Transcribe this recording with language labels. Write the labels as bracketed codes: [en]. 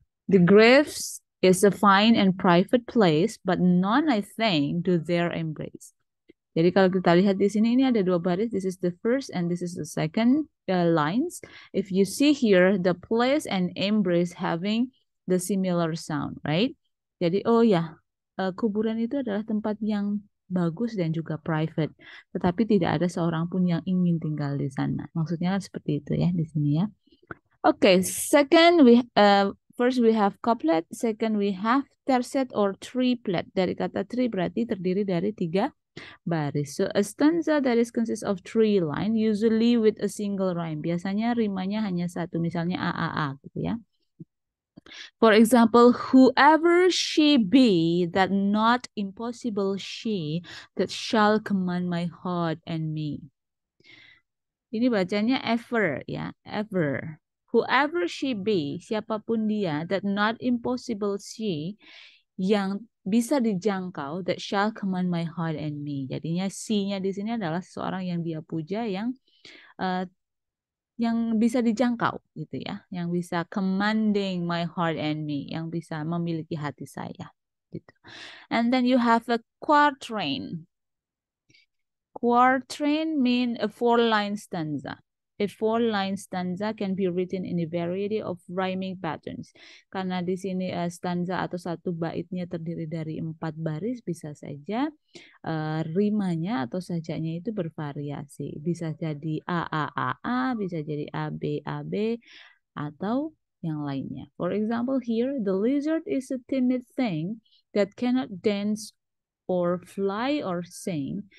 [en] The graves is a fine and private place, but none I think do dare embrace. [id] Jadi kalau kita lihat di sini, ini ada dua baris. [en] This is the first and this is the second lines. If you see here, the place and embrace having the similar sound, right? [id] Jadi, oh ya, kuburan itu adalah tempat yang bagus dan juga private. Tetapi tidak ada seorang pun yang ingin tinggal di sana. Maksudnya kan seperti itu ya, di sini ya. [en] Okay, second, first we have couplet. Second, we have terset or triplet. [id] Dari kata tri berarti terdiri dari tiga baris. [en] So a stanza that is consists of three line, usually with a single rhyme. [id] Biasanya rimanya hanya satu, misalnya AAA gitu ya. [en] For example, whoever she be, that not impossible she, that shall command my heart and me. [id] Ini bacanya ever ya, ever. [en] Whoever she be, [id] siapapun dia, [en] that not impossible she, [id] yang bisa dijangkau, [en] that shall command my heart and me. [id] Jadinya si-nya di sini adalah seorang yang dia puja, yang bisa dijangkau, gitu ya, yang bisa [en] commanding my heart and me, [id] yang bisa memiliki hati saya, gitu. [en] And then you have a quatrain. Quatrain mean a four line stanza. A four line stanza can be written in a variety of rhyming patterns. [id] Karena di sini stanza atau satu baitnya terdiri dari empat baris, bisa saja rimanya atau sajaknya itu bervariasi. Bisa jadi AAAA, bisa jadi ABAB, atau yang lainnya. [en] For example, here the lizard is a timid thing that cannot dance or fly or sing.